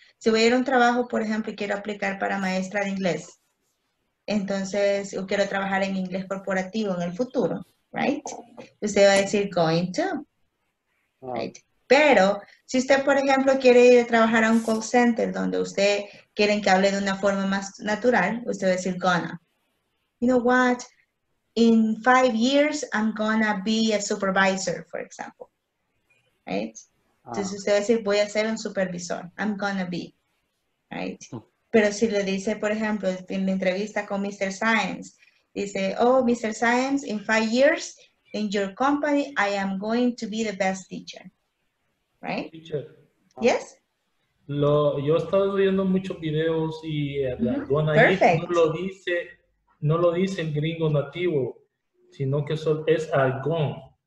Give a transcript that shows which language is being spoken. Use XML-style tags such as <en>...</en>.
<es>si voy a ir a un trabajo, por ejemplo, y quiero aplicar para maestra de inglés, entonces yo quiero trabajar en inglés corporativo en el futuro, right? Usted va a decir going to, right? Pero si usted, por ejemplo, quiere ir a trabajar a un call center donde usted quiere que hable de una forma más natural, usted va a decir gonna.</es> <en>You know what? In 5 years, I'm gonna be a supervisor, for example. Right? Ah.</en> <es>Entonces usted va a decir, voy a ser un supervisor.</es> <en>I'm gonna be. Right?</en> <es>Pero si le dice, por ejemplo, en la entrevista con Mr. Science, dice, oh, Mr.</es> <en>Science, in 5 years, in your company, I am going to be the best teacher. Right? Teacher. Yes.</en> <es>Lo, yo he estado viendo muchos videos y gonna be no lo dice en gringo nativo, sino que solo es gone.</es>